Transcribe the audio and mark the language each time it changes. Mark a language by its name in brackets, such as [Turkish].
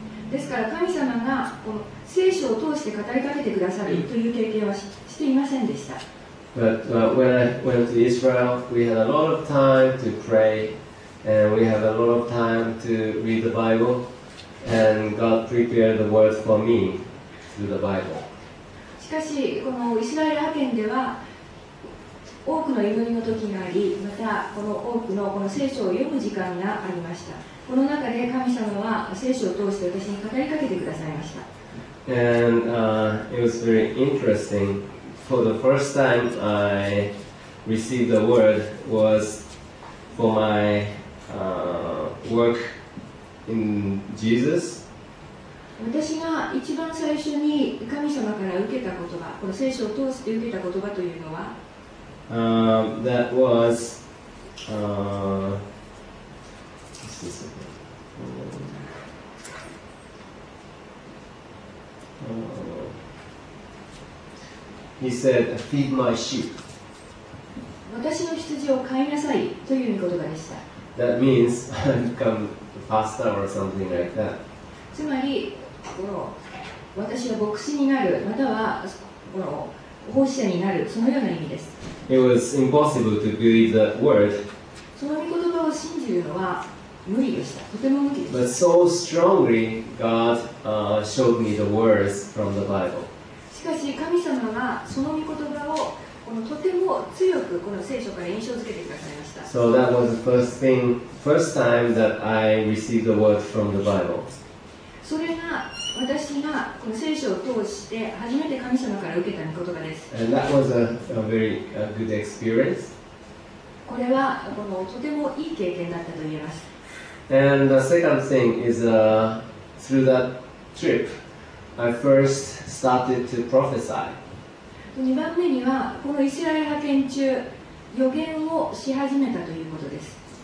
[Japanese] ですから神様がこの聖書を通して語りかけてくださるという経験は していませんでした。 [English] But、when I went to Israel, we had a lot of time to pray, and we had a lot of time to read the Bible, and God prepared the words for me through the Bible. [Japanese] しかし、このイスラエル派遣では多くの祈りの時があり、またこの多くのこの聖書を読む時間がありました。この中で神様は聖書を通して私に語りかけてくださいました。 [English] And、it was very interesting. For the first time I received the word was for my、work in Jesus. [Japanese] 私が一番最初に神様から受けた言葉、この聖書を通して受けた言葉というのは、 [English] that was、He said, "Feed my sheep." [Japanese] 私の羊を飼いなさいという言葉でした。 [English] That means become a pastor or something like that. [Japanese] つまり、この私は牧師になるまたはこの奉仕者になるそのような意味です。 [English] It was impossible to believe that word. [Japanese] その言葉を信じるのは無理でした。とても無理でした。 [English] But so strongly, God、showed me the words from the Bible. [Japanese] しかし神様がその御言葉をこのとても強くこの聖書から印象付けてくださいました。 [English] So that was the first thing, first time that I received the word from the Bible. [Japanese] それが私がこの聖書を通して初めて神様から受けた御言葉です。 [English] And that was a very a good experience. [Japanese] これはこのとてもいい経験だったと言えます。 [English] And the second thing is through that trip, I first started to prophesy. [Japanese] 2番目には、このイスラエル派遣中、予言をし始めたということです。